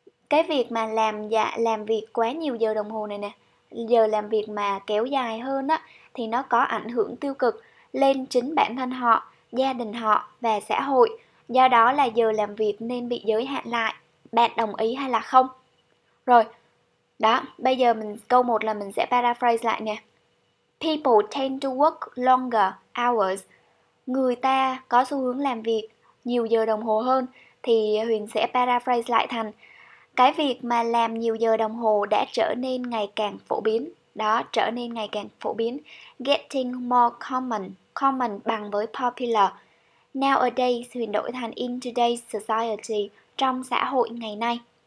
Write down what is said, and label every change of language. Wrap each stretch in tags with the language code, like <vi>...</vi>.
<vi>Cái việc mà làm việc quá nhiều giờ đồng hồ này nè, giờ làm việc mà kéo dài hơn á, thì nó có ảnh hưởng tiêu cực lên chính bản thân họ, gia đình họ và xã hội. Do đó là giờ làm việc nên bị giới hạn lại. Bạn đồng ý hay là không? Rồi, đó, bây giờ mình câu 1 là mình sẽ paraphrase lại nè.</vi> <en>People tend to work longer hours.</en> <vi>Người ta có xu hướng làm việc nhiều giờ đồng hồ hơn. Thì Huyền sẽ paraphrase lại thành cái việc mà làm nhiều giờ đồng hồ đã trở nên ngày càng phổ biến. Đó, trở nên ngày càng phổ biến.</vi> <en>Getting more common.</en> <vi>Common bằng với popular. Nowadays, Huyền đổi thành</vi> <en>in today's society,</en> <vi>trong xã hội ngày nay.</vi>